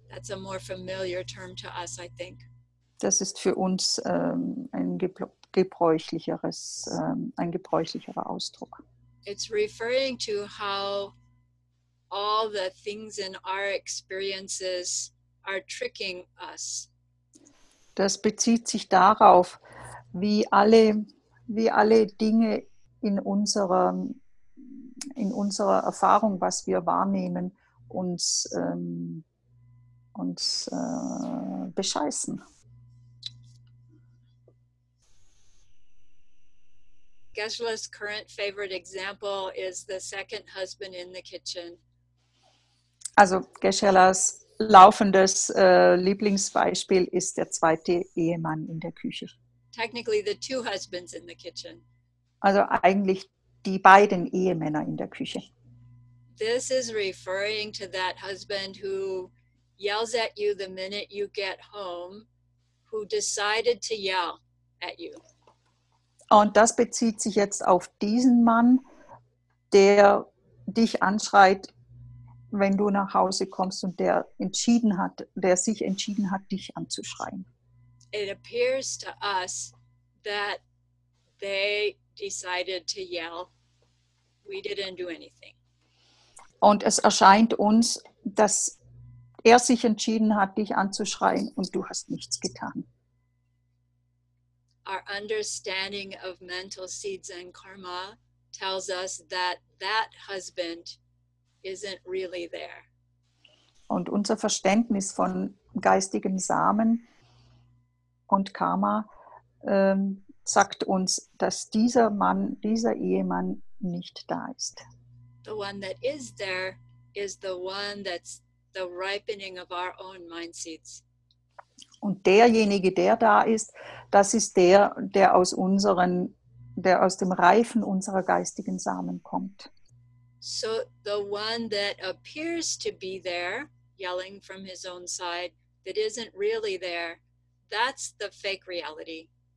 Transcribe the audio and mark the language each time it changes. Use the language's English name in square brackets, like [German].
[English] That's a more familiar term to us, I think. [German] Das ist für uns ein gebräuchlicherer Ausdruck. [English] It's referring to how all the things in our experiences are tricking us. [German] Das bezieht sich darauf, wie alle Dinge in unserer Erfahrung, was wir wahrnehmen, uns bescheißen. [English] Geshe-la's current favorite example is the second husband in the kitchen. [German] Also Geshe-la's laufendes Lieblingsbeispiel ist der zweite Ehemann in der Küche. [English] Technically the two husbands in the kitchen. [German] Also eigentlich die beiden Ehemänner in der Küche. [English] This is referring to that husband who yells at you the minute you get home, who decided to yell at you. [German] Und das bezieht sich jetzt auf diesen Mann, der dich anschreit, wenn du nach Hause kommst und der sich entschieden hat, dich anzuschreien. [English] It appears to us that they decided to yell. We didn't do anything. [German] Und es erscheint uns, dass er sich entschieden hat, dich anzuschreien und du hast nichts getan. [English] Our understanding of mental seeds and karma tells us that that husband isn't really there. [German] Und unser Verständnis von geistigen Samen und Karma sagt uns, dass dieser Mann, dieser Ehemann nicht da ist. [English] The one that is there is the one that's the ripening of our own mind seeds. [German] Und derjenige, der da ist, das ist der, der aus dem Reifen unserer geistigen Samen kommt. [English] So the one that appears to be there, yelling from his own side, that isn't really there, that's the fake reality.